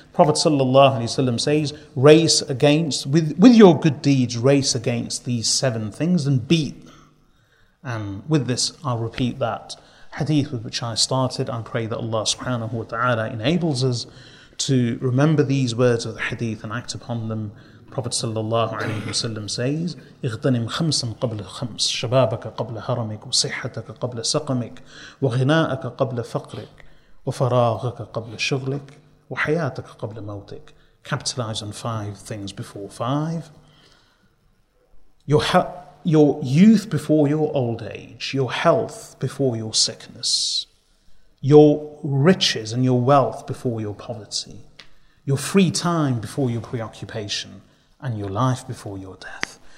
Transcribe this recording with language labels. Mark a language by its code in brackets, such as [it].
[en] Prophet sallallahu alaihi wasallam says, race against, with your good deeds, race against these seven things and beat them. And with this, I'll repeat that hadith with which I started. I pray that Allah subhanahu wa ta'ala enables us to remember these words of the hadith and act upon them. Prophet sallallahu alaihi wasallam says, [ar] اغتنم خمسا قبل خمس, شبابك قبل هرمك وصحتك قبل سقمك وغناءك قبل فقرك وفراغك قبل شغلك وحياتك قبل موتك. [en] Capitalize on five things before five. Your youth before your old age, your health before your sickness, your riches and your wealth before your poverty, your free time before your preoccupation, and your life before your death.